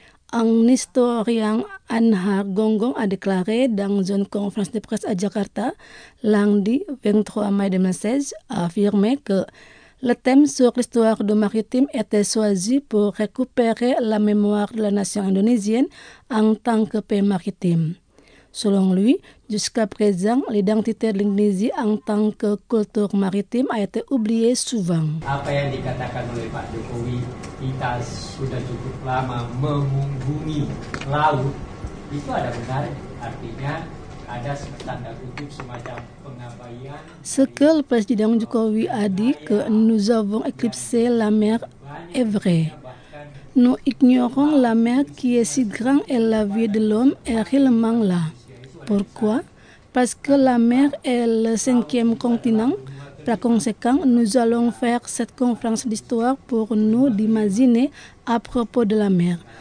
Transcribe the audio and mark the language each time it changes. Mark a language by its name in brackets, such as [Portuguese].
[French] Un historien, Anhar Gonggong, a déclaré dans une conférence de presse à Jakarta, lundi 23 mai 2016, a affirmé que le thème sur l'histoire du maritime était choisi pour récupérer la mémoire de la nation indonésienne en tant que pays maritime. Selon lui, jusqu'à présent, l'identité de l'Indonésie en tant que culture maritime a été oubliée souvent. [Indonesian] Apa yang dikatakan oleh Pak Jokowi, kita sudah cukup lama memunggungi laut, itu ada benar, artinya ada tanda kutip semacam. [French] Ce que le président Jokowi a dit que nous avons éclipsé la mer est vrai. Nous ignorons la mer qui est si grande et la vie de l'homme est réellement là. Pourquoi? Parce que la mer est le 5e continent. Par conséquent, nous allons faire cette conférence d'histoire pour nous d'imaginer à propos de la mer.